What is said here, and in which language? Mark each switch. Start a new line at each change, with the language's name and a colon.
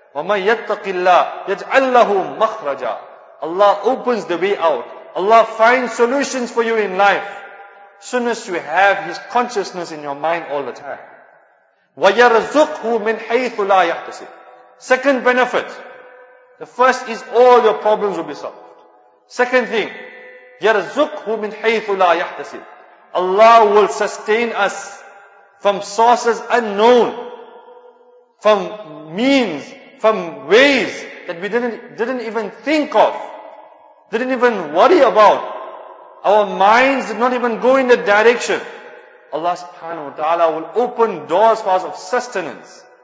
Arabic: وَمَنْ يَتَّقِ اللَّهِ يَجْعَلْ لَهُ مَخْرَجًا.
English: Allah opens the way out. Allah finds solutions for you in life. Soon as you have His consciousness in your mind all the time.
Arabic: وَيَرْزُقْهُ مِنْ حَيْثُ لَا يَحْتَسِبْ.
English: Second benefit. The first is all your problems will be solved. Second thing,
Arabic: يَرْزُقْهُ مِنْ حَيْثُ لَا يَحْتَسِبْ.
English: Allah will sustain us from sources unknown, from means, from ways that we didn't even think of, didn't even worry about. Our minds did not even go in that direction. Allah subhanahu wa ta'ala will open doors for us of sustenance.